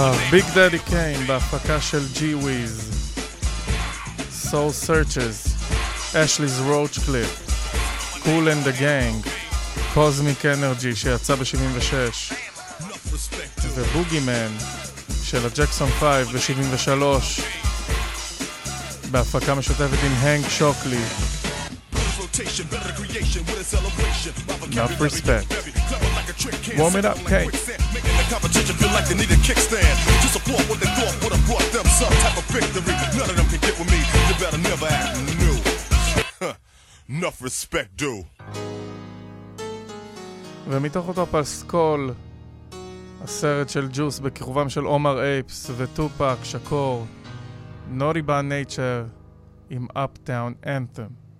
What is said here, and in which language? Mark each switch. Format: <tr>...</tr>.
<he>ביג דדי קיין בהפקה של ג'י וויז, סול סרצ'ז, אשליז רוץ' קליפ, קול אנד דה גאנג, קוזמיק אנרג'י שיצא ב-76, ובוגי מן של הג'קסון 5 ב-73 בהפקה משותפת עם הנק שוקלי.</he> <en>Rotation, better creation with a celebration. Enough respect. Warm it up, okay. Making the competition feel like they need a kickstand. To support what they thought would have brought them some type of victory. None of them can get with me. You better never act new. Enough respect, dude.</en> <he>ומתוך אותו פסקול, הסרט של ג'וס בכיכובם של עומר אייפס וטופק שקור, Naughty by Nature עם Uptown Anthem.</he>